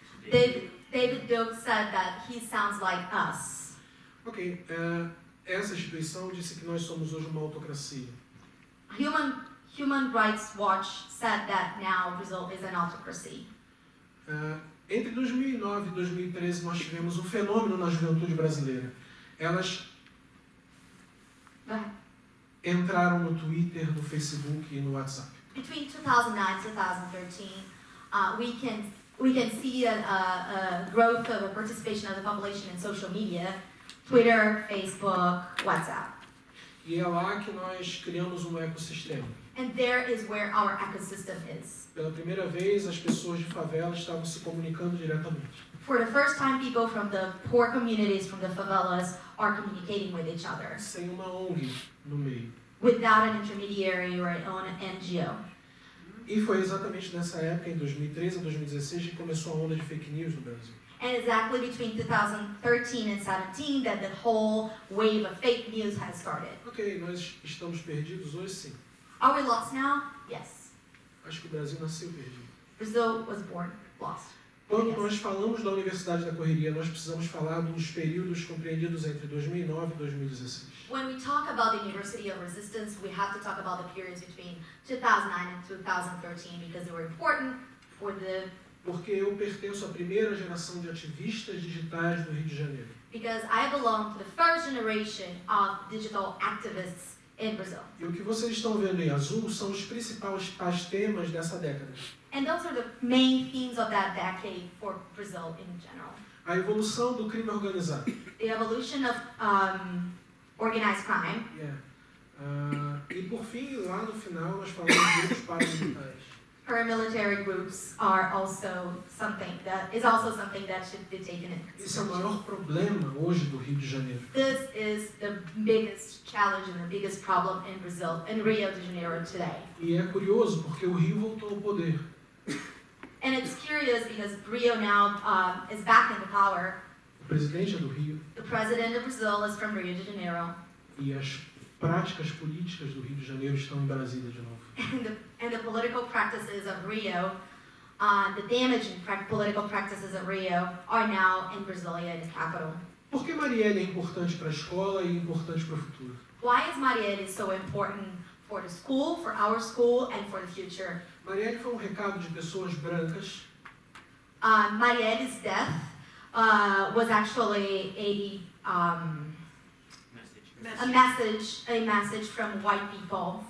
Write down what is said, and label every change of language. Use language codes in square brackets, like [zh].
[en] David Duke said that he sounds like us. Okay. [pt] Essa instituição disse que nós somos hoje uma autocracia. [en] Human Rights Watch said that now Brazil is an autocracy. [pt] Entre 2009 e 2013 nós tivemos um fenômeno na juventude brasileira. Elas entraram no Twitter, no Facebook e no WhatsApp. [en] Between 2009 and 2013, we can see a growth of a participation of the population in social media. Twitter, Facebook, WhatsApp. [pt] E é lá que nós criamos ecossistema. [en] And there is where our ecosystem is. [pt] Pela primeira vez, as pessoas de favela estavam se comunicando diretamente. [en] For the first time, people from the poor communities, from the favelas, are communicating with each other. [pt] Sem uma ONG no meio. [en] Without an intermediary or an own NGO. [pt] E foi exatamente nessa época, em 2013 a 2016, que começou a onda de fake news no Brasil. [en] And exactly between 2013 and 2017 that the whole wave of fake news has started. [pt] Okay, nós estamos perdidos hoje, sim. [en] Are we lost now? Yes. [pt] Acho que o Brasil nasceu perdido. [en] Brazil was born lost. [pt] Quando nós falamos da Universidade da Correria, nós precisamos falar dos períodos compreendidos entre 2009 e 2016. [en] When we talk about the University of Resistance, we have to talk about the periods between 2009 and 2013 because they were important for the... [pt] Porque eu pertenço à primeira geração de ativistas digitais do Rio de Janeiro. [en] Because I belong to the first generation of digital activists in Brazil. [pt] E o que vocês estão vendo em azul são os principais temas dessa década. [en] And those are the main themes of that decade for Brazil in general. [pt] A evolução do crime organizado. [en] The evolution of organized crime. Yeah. [pt] E por fim, lá no final, nós falamos de grupos paramilitares. [en] Paramilitary groups are also something that is also something that should be taken into consideration. [pt] Esse é o maior problema hoje do Rio de Janeiro. [en] This is the biggest challenge and the biggest problem in Brazil, in Rio de Janeiro today. [pt] E é curioso porque o Rio voltou ao poder. [en] And it's curious because Rio now is back in the power. [pt] O presidente é do Rio. [en] The president of Brazil is from Rio de Janeiro. [pt] E as práticas políticas do Rio de Janeiro estão em Brasília de novo. [en] And the political practices of Rio, the damaging political practices of Rio, are now in Brasília, the capital. [pt] Por que Marielle é importante para a escola e importante para o futuro? [en] Why is Marielle so important for the school, for our school, and for the future? [pt] Marielle foi recado de pessoas brancas. [en] Marielle's death was actually a message from white people.